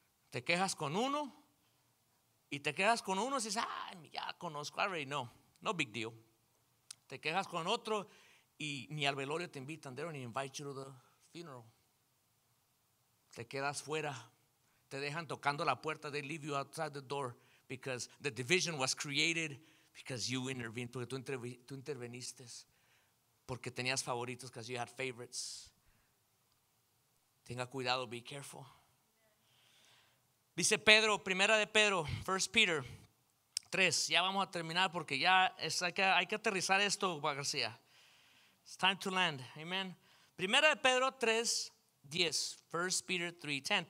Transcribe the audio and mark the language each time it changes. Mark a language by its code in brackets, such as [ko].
[es] Te quejas con uno. Y te quejas con uno. Y dices, ay, ya conozco. [en] I already know. No big deal. [es] Te quejas con otro. Y ni al velorio te invitan. [en] They don't invite you to the funeral. [es] Te quedas fuera, te dejan tocando la puerta. [en] They leave you outside the door because the division was created because you intervened, [es] porque tú interveniste, [en] porque tenías favoritos, because you had favorites. [es] Tenga cuidado, [en] be careful. [es] Dice Pedro, primera de Pedro, 1 Peter 3, ya vamos a terminar porque ya es, hay que aterrizar esto, García. [en] It's time to land, amen. [es] Primera de Pedro 3, 10, [en] 1 Peter 3:10.